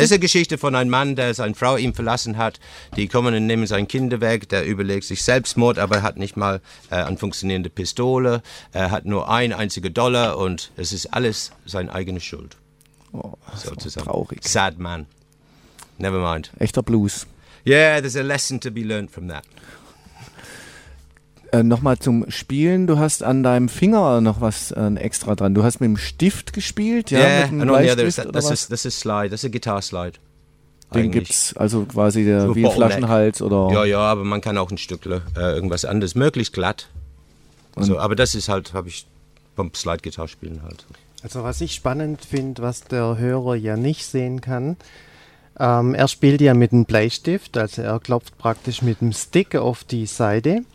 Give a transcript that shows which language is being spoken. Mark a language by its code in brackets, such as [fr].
[de] Es ist eine Geschichte von einem Mann, der seine Frau ihm verlassen hat. Die kommen und nehmen sein Kind weg. Der überlegt sich Selbstmord, aber hat nicht mal eine funktionierende Pistole. Er hat nur ein einziger Dollar und es ist alles seine eigene Schuld. Oh, so sozusagen. Traurig. [en] Sad man. Never mind. [de] Echter Blues. [en] Yeah, there's a lesson to be learned from that. [de] Nochmal zum Spielen. Du hast an deinem Finger noch was extra dran. Du hast mit dem Stift gespielt, ja? [en] Yeah, and on the other side, that's a slide. That's a guitar slide. [de] Den gibt es also quasi so wie ein Flaschenhals oder. Ja, ja, aber man kann auch ein Stückle irgendwas anderes, möglichst glatt. So, aber das ist halt, habe ich vom Slide-Gitarre spielen halt. Also, was ich spannend finde, was der Hörer ja nicht sehen kann, er spielt ja mit dem Bleistift, also er klopft praktisch mit dem Stick auf die Seite.